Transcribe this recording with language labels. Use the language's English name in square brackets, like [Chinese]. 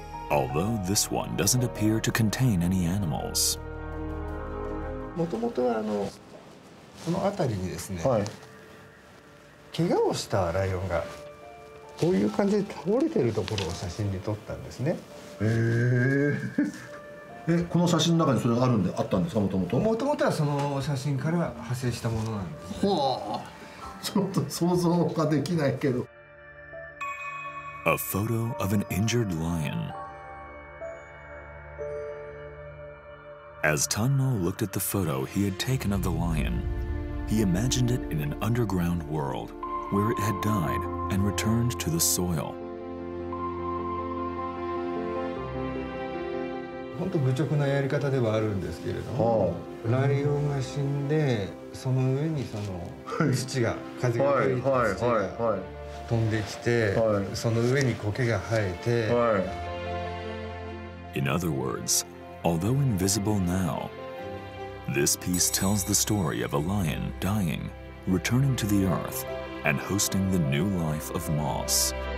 [English] Although this one doesn't appear to contain any animals. [Japanese] もともとはこの辺りにですね、はい、怪我をしたライオンがこういう感じで倒れてるところを写真に撮ったんですね。この写真の中にそれがあるんであったんですか。もともとはその写真から派生したものなんです、ね、はあ、ちょっと想像ができないけど。 [English] A photo of an injured lion. As Tanno looked at the photo he had taken of the lion, he imagined it in an underground world where it had died and returned to the soil. [Japanese] 本当愚直なやり方ではあるんですけれども、はあ、ライオンが死んでその上にその土が風が吹いて土が飛んできて、はい、その上に苔が生えて、はい、 [English] In other words, although invisible now, this piece tells the story of a lion dying, returning to the earth, and hosting the new life of moss.